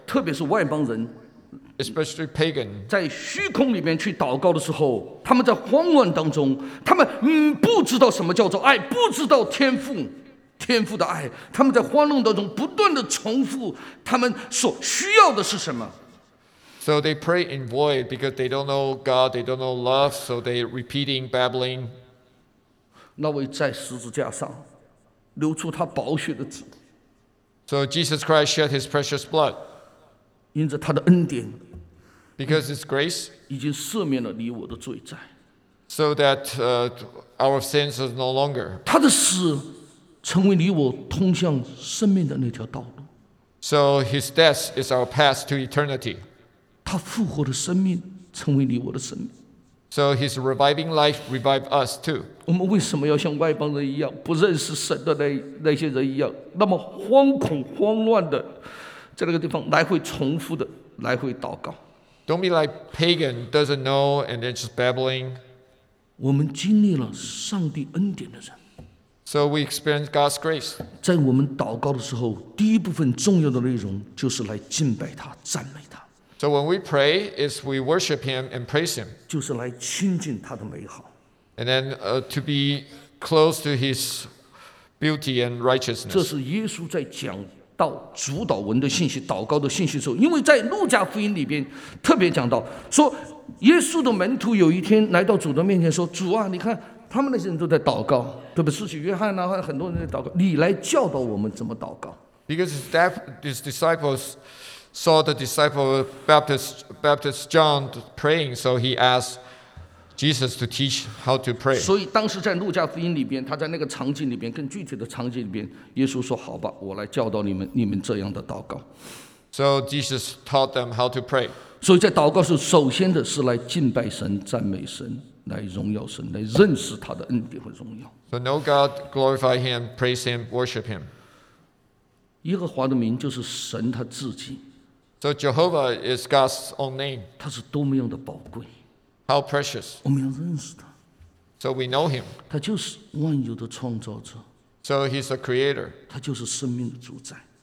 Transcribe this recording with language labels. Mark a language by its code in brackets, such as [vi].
[zh] 特别是外邦人。 [en] Especially pagan. [zh] 在虚空里面去祷告的时候，他们在慌乱当中，他们不知道什么叫做爱，不知道天父，天父的爱。他们在慌乱当中不断的重复，他们所需要的是什么。 [en] So they pray in void because they don't know God, they don't know love, so they repeating babbling. [zh] 那位在十字架上流出他宝血的子。 [en] So Jesus Christ shed his precious blood. [zh] 因着他的恩典 [en] ，because His grace [zh] 已经赦免了你我的罪债 [en] ，so that our sins are no longer [zh] 他的死成为你我通向生命的那条道路 [en] ，so His death is our path to eternity [zh] 他复活的生命成为你我的生命 [en] ，so His reviving life revive us too [zh] 我们为什么要像外邦人一样不认识神的 那些人一样那么惶恐慌乱的在那个地方来回重复的来回祷告。 [en] Don't be like pagan, doesn't know, and then just babbling. [zh] 我们经历了上帝恩典的人。 [en] So we experience God's grace. [zh] 在我们祷告的时候，第一部分重要的内容就是来敬拜他、赞美他。 [en] So when we pray, is we worship Him and praise Him. [zh] 就是来亲近他的美好。 [en] And then to be close to His beauty and righteousness. [zh] 这是耶稣在讲。到主导文的信息祷告的信息的时候因为在路加福音里边特别讲到说耶稣的门徒有一天来到主的面前说主啊你看他们那些人都在祷告对不对司洗约翰啊很多人在祷告你来教导我们怎么祷告 [en] because his disciples saw the disciple Baptist John praying so he asked Jesus to teach how to pray [zh] 所以当时在路加福音里边他在那个场景里边更具体的场景里边耶稣说好吧我来教导你们你们这样的祷告 [en] So Jesus taught them how to pray [zh] 所以在祷告时首先的是来敬拜神赞美神来荣耀神来认识他的恩典和荣耀 [en] So know God, glorify Him, praise Him, worship Him [zh] 耶和华的名就是神他自己 [en] So Jehovah is God's own name [zh] 他是多么样的宝贵 [en] How precious. [zh] 我们要认识他。 [en] So we know him. [zh] 他就是万有的创造者。 [en] So he's a creator. [zh] 他就是生命的主宰。